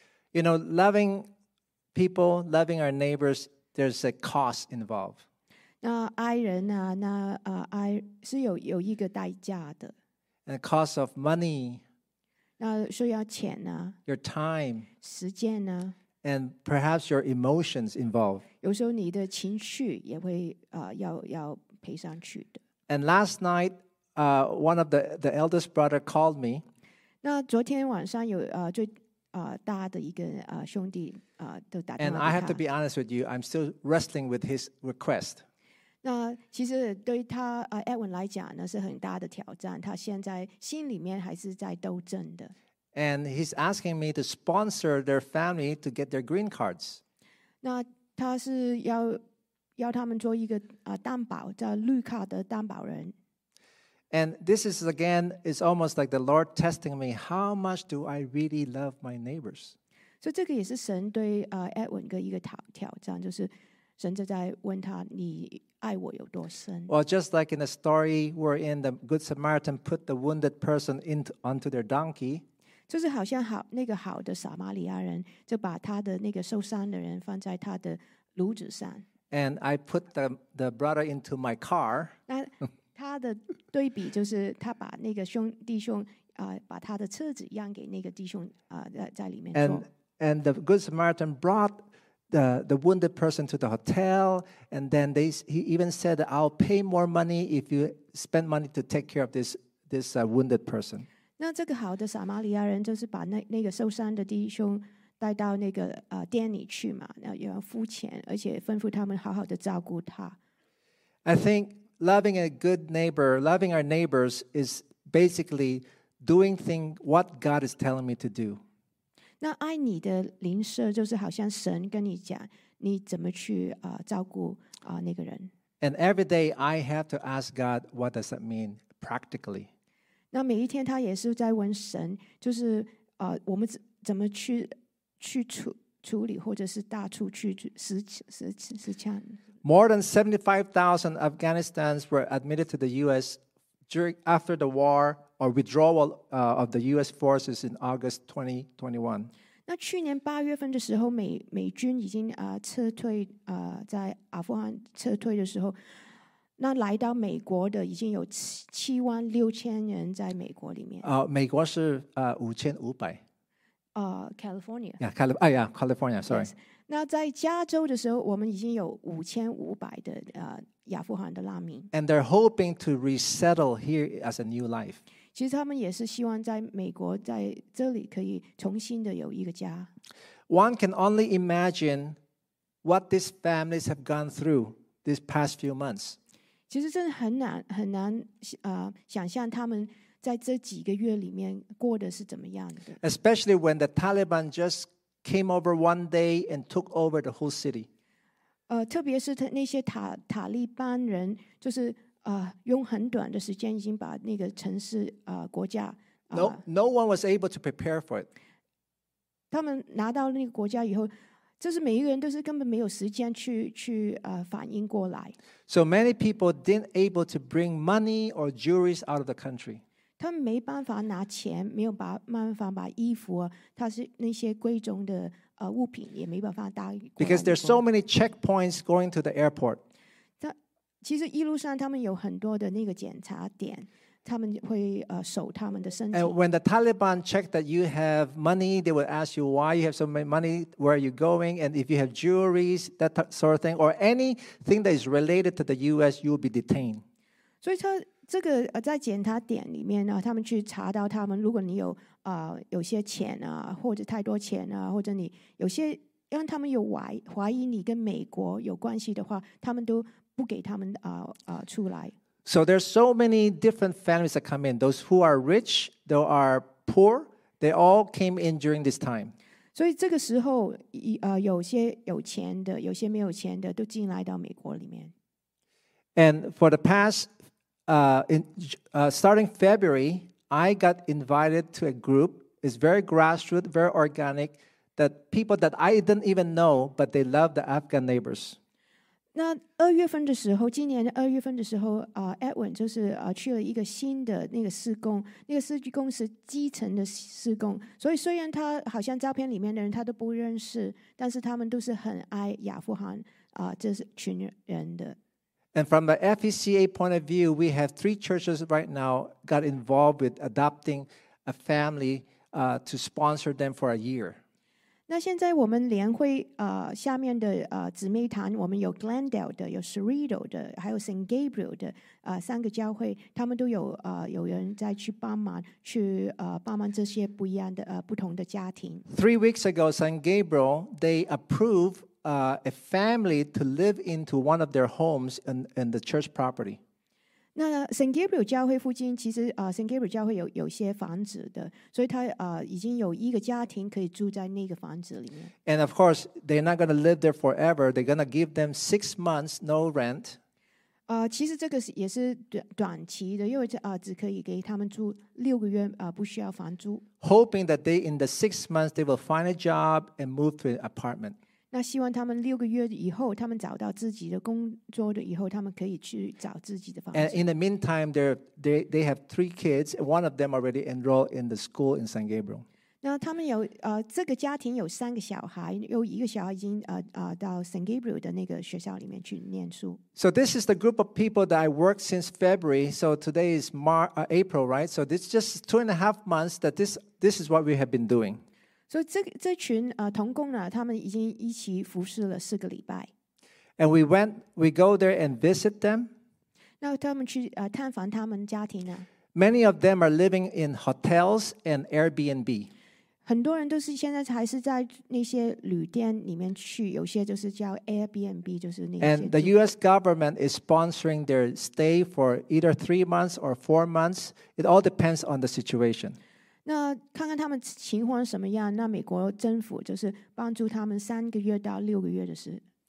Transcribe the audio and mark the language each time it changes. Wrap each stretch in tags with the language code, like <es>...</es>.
<en>You know, loving people, loving our neighbors, there's a cost involved.</en> <zh>那爱人啊，那爱是有一个代价的。</zh> <en>And the cost of money,</en> <zh>那需要钱呢</zh> <en>？Your time,</en> <zh>时间呢</zh> <en>？And perhaps your emotions involved.</en> <zh>有时候你的情绪也会要赔上去的。</zh> <en>And last night, one of the eldest brother called me.</en> <zh>那昨天晚上有最大的一个兄弟都打电话给他。</zh> <en>And I have to be honest with you, I'm still wrestling with his request.</en> <zh>那其实对他Edwin 来讲呢是很大的挑战，他现在心里面还是在斗争的。</zh> <en>And he's asking me to sponsor their family to get their green cards.</en> <zh>那他是要要他们做一个担保，叫绿卡的担保人。</zh> <en>And this is again, it's almost like the Lord testing me, how much do I really love my neighbors?</en> <zh>所以这个也是神对Edwin的一个挑战，就是神就在问他，你爱我有多深？</zh> <en>Well, just like in the story wherein the Good Samaritan put the wounded person onto their donkey.</en> <zh>就是好像那个好的撒玛利亚人就把他的那个受伤的人放在他的驴子上。</zh> <en>And I put the brother into my car.</en> <zh>那他的对比就是他把那个兄弟兄把他的车子让给那个弟兄在里面坐。</zh> <en>And the Good Samaritan brought the wounded person to the hotel, and then he even said, "I'll pay more money if you spend money to take care of this wounded person."</en> <zh>那这个好的撒玛利亚人就是把那个受伤的弟兄带到那个店里去嘛，那也要付钱，而且吩咐他们好好的照顾他。</zh> <en>I think loving a good neighbor, loving our neighbors, is basically doing things what God is telling me to do.</en> <zh>那爱你的邻舍就是好像神跟你讲，你怎么去照顾那个人。</zh> <en>And every day I have to ask God, what does that mean practically?</en> <zh>那每一天他也是在问神，就是我们怎么去处理，或者是大处去实践。</zh> <en>More than 75,000 Afghanistans were admitted to the U.S. after the war or withdrawal of the U.S. forces in August 2021.</en> <zh>那去年八月份的时候，美军已经撤退在阿富汗撤退的时候，那来到美国的已经有76,000人在美国里面。美国是5,500。</zh> <en>California. Yeah, California. Yeah, California. Sorry. Yes.</en> <zh>那在加州的时候，我们已经有5,500的亚富汗的难民。</zh> <en>And they're hoping to resettle here as a new life.</en> <zh>其实他们也是希望在美国在这里可以重新的有一个家。</zh> <en>One can only imagine what these families have gone through these past few months.</en> <zh>其实真的很难想象他们在这几个月里面过的是怎么样的。</zh> <en>Especially when the Taliban just came over one day and took over the whole city.</en> <zh>特别是那些塔利班人，就是用很短的时间已经把那个城市国家。</zh> <en>No one was able to prepare for it.</en> <zh>他们拿到那个国家以后，就是每一个人都是根本没有时间去反应过来。</zh> <en>So many people didn't able to bring money or jewelry out of the country.</en> <zh>他们没办法拿钱，没有办法把衣服，他是那些贵重的物品也没办法带。</zh> <en>Because there's so many checkpoints going to the airport.</en> <zh>其实一路上他们有很多的那个检查点，他们会守他们的身体。</zh> <en>And when the Taliban check that you have money, they will ask you why you have so many money, where are you going, and if you have jewelries, that sort of thing, or anything that is related to the U.S., you will be detained.</en> <zh>所以他。这个在检查点里面他们去查到他们，如果你有些钱或者太多钱或者你有些让他们有怀疑你跟美国有关系的话，他们都不给他们出来。</zh> <en>So there's so many different families that come in. Those who are rich, those are poor, they all came in during this time.</en> <zh>所以这个时候有些有钱的，有些没有钱的都进来到美国里面。</zh> <en>And for the past starting February, I got invited to a group. It's very grassroots, very organic. That people that I didn't even know, but they love the Afghan neighbors.</en> <zh>那二月份的时候，今年二月份的时候，Edwin 就是去了一个新的那个施工，那个施工是基层的施工。所以虽然他好像照片里面的人他都不认识，但是他们都是很爱亚富汗这群人的。</zh> <en>And from the FECA point of view, we have 3 churches right now got involved with adopting a family to sponsor them for a year.</en> <zh>那现在我们联会下面的姊妹团，我们有 Glendale 的，有 Cerrito 的，还有 St. Gabriel 的三个教会，他们都有人在去帮忙，去帮忙这些不一样的不同的家庭。</zh> <en>3 weeks ago, St. Gabriel they approved. A family to live into one of their homes in the church property.</en> <zh>那 Saint Gabriel 教会附近，其实Saint Gabriel 教会有些房子的，所以他已经有一个家庭可以住在那个房子里面。</zh> <en>And of course, they're not going to live there forever. They're going to give them 6 months no rent.</en> <zh>其实这个也是短期的，因为只可以给他们住六个月，不需要房租。</zh> <en>Hoping that they in the 6 months they will find a job and move to an apartment.</en> <zh>那希望他们六个月以后，他们找到自己的工作的以后，他们可以去找自己的房子。</zh> <en>And in the meantime, they have three kids. One of them already enrolled in the school in San Gabriel.</en> <zh>那他们有这个家庭有三个小孩，有一个小孩已经到 San Gabriel 的那个学校里面去念书。</zh> <en>So this is the group of people that I worked since February. So today is April, right? So this is just 2.5 months that this is what we have been doing.</en> <zh>所以这群同工呢，他们已经一起服侍了四个礼拜。</zh> <en>And we go there and visit them.</en> <zh>那他们去探访他们家庭呢。</zh> <en>Many of them are living in hotels and Airbnb.</en> <zh>很多人都是现在还是在那些旅店里面去，有些就是叫 Airbnb， 就是那些。</zh> <en>And the U.S. government is sponsoring their stay for either 3 months or 4 months. It all depends on the situation.</en> <zh>那看看他们情况什么样，那美国政府就是帮助他们三个月到六个月的事。</zh>